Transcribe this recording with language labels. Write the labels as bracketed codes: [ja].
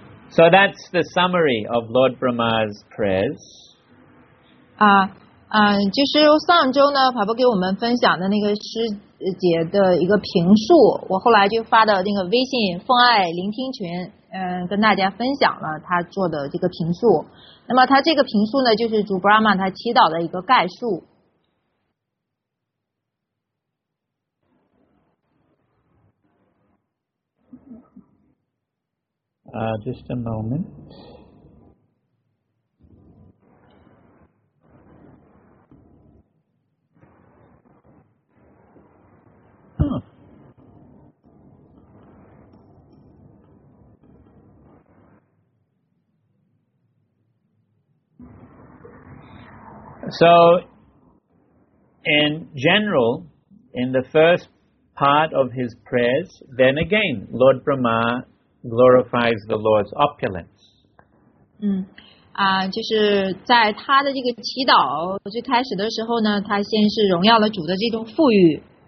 [en] So that's the summary of Lord Brahma's prayers. [zh] 就是上周呢，法布给我们分享的那个师姐的一个评述，我后来就发到那个微信奉爱聆听群，跟大家分享了他做的这个评述。那么他这个评述呢，就是主 Brahma 他祈祷的一个概述。 [en] Just a moment. So, in general, in the first part of his prayers, then again, Lord Brahma glorifies the Lord's opulence. [zh] 就是在他的这个祈祷最开始的时候呢，他先是荣耀了主的这种富裕。